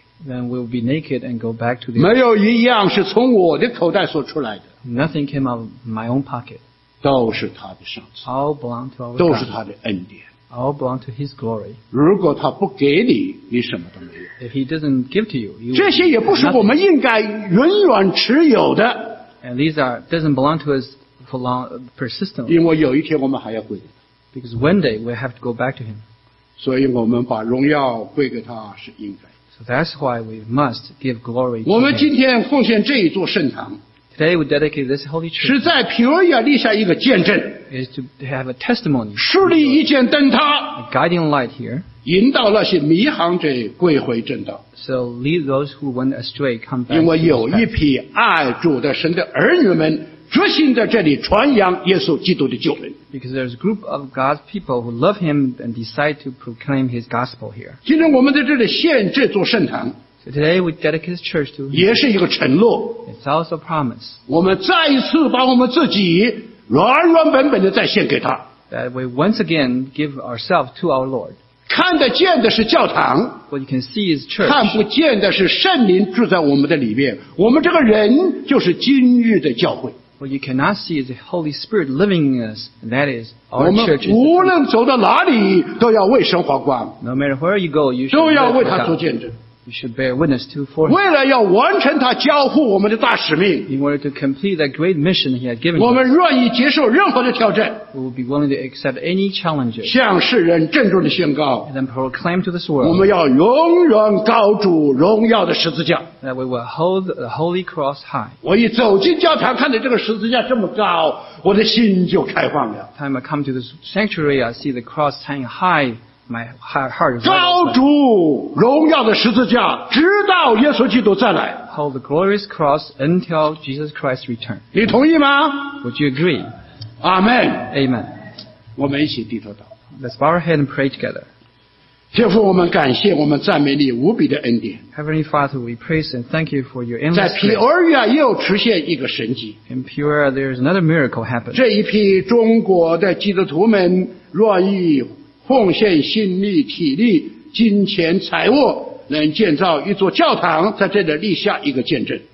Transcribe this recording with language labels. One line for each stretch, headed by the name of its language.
English: Then we'll be naked and go back to the.
Chinese: 没有一样是从我的口袋所出来的。
English: Nothing came out of my own pocket.
Chinese: 都是他的赏赐。
English: All belong to our.
Chinese: 都是他的恩典。
English: All belong to His glory.
Chinese: 如果他不给你，你什么都没有。
English: If He doesn't give to you, you.
Chinese: 这些也不是我们应该永远持有的。
English: And these are doesn't belong to us for long persistently.
Chinese: 因为有一天我们还要归。
English: Because one day we have to go back to Him.
Chinese: 所以我们把荣耀归给他是应该。
English: So that's why we must give glory to him.
Chinese: 我们今天奉献这一座圣堂。
English: Today we dedicate this holy church.
Chinese: 是在皮尔亚立下一个见证。
English: Is to have a testimony.
Chinese: 树立一盏灯塔。
English: A guiding light here.
Chinese: 引导那些迷航者归回正道。
English: So lead those who went astray come back.
Chinese: 因为有一批爱主的神的儿女们决心在这里传扬耶稣基督的救恩。
English: Because there's a group of God's people who love Him and decide to proclaim His gospel here.
Chinese: 今天我们在这里献这座圣堂。
English: So today we dedicate His church to.
Chinese: 也是一个承诺。
English: It's also a promise.
Chinese: 我们再一次把我们自己软软本本的再献给他。
English: That we once again give ourselves to our Lord.
Chinese: 看得见的是教堂。
English: What you can see is church.
Chinese: 看不见的是圣灵住在我们的里面。我们这个人就是今日的教会。
English: What you cannot see is the Holy Spirit living in us, and that is our church.
Chinese: 无论走到哪里都要为神发光。
English: No matter where you go, you should
Chinese: 都要为他做见证。
English: You should bear witness to for him.
Chinese: 为了要完成他交付我们的大使命。
English: In order to complete that great mission he had given.
Chinese: 我们愿意接受任何的挑战。
English: We will be willing to accept any challenges.
Chinese: 向世人郑重的宣告。
English: And then proclaim to this world.
Chinese: 我们要永远高举荣耀的十字架。
English: That we will hold the holy cross high.
Chinese: 我一走进教堂，看到这个十字架这么高，我的心就开放了。
English: Time I come to this sanctuary, I see the cross hanging high. My heart is
Chinese: 高主荣耀的十字架，直到耶稣基督再来。
English: Hold the glorious cross until Jesus Christ returns.
Chinese: 你同意吗
English: ？Would you agree? Amen. Amen.
Chinese: 我们一起低头祷。
English: Let's bow our head and pray together.
Chinese: 天父，我们感谢我们赞美你无比的恩典。
English: Heavenly Father, we praise and thank you for your endless.
Chinese: 在皮尔亚又出现一个神迹。
English: In Peoria, there is another miracle happened.
Chinese: 这一批中国的基督徒们愿意。奉献心力、体力、金钱、财物，能建造一座教堂，在这里立下一个见证。